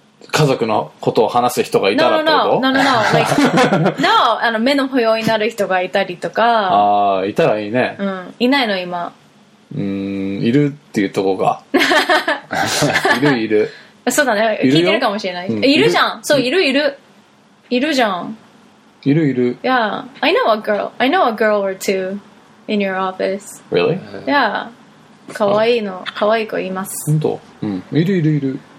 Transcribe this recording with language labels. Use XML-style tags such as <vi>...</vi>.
<ja>家族のことを話す人がいたらってこと?</ja> <en>No, no, no, like, no,</en> <ja>あの、目の保養になる人がいたりとか。ああ、いたらいいね。うん、いないの、今。いるっていうとこが。いる、いる。そうだね、聞いてるかもしれない。いるじゃん、そう、いる、いる。いるじゃん。いる、いる。</ja> <en>Yeah, I know a girl. I know a girl or two in your office. Really? Yeah.</en> <ja>可愛いの、可愛い子います。本当?うん、いる、いる、いる。</ja>